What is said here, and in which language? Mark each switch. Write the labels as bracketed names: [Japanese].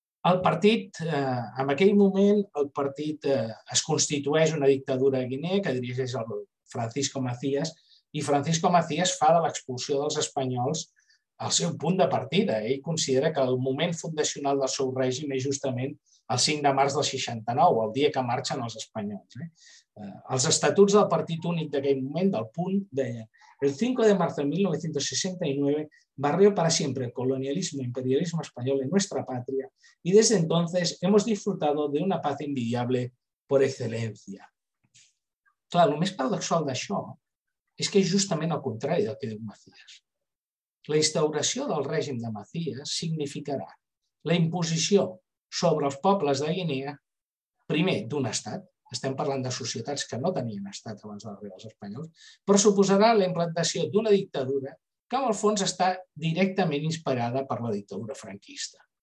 [Catalan] El partit, en aquell moment, el partit es constitueix una dictadura a Guinea que dirigeix el Francisco Macías i Francisco Macías fa de l'expulsió dels espanyols el seu punt de partida. Ell considera que el moment fundacional del seu règim és justament el 5 de març del 69, el dia que marxen els espanyols. Els estatuts del partit únic d'aquell moment, del punt, deia el 5 de març de 1969 [Spanish] barrió para siempre el colonialismo e imperialismo español en nuestra patria y desde entonces hemos disfrutado de una paz envidiable por excelencia. [Catalan] Clar, el més paradoxal d'això és que és justament el contrari del que diu Macías. La instauració del règim de Macías significarà la imposició sobre els pobles de Guinea, primer, d'un estat, estem parlant de societats que no tenien estat abans d'arribar als espanyols, però suposarà la implantació d'una dictadura que, en el fons, està directament inspirada per la dictadura franquista.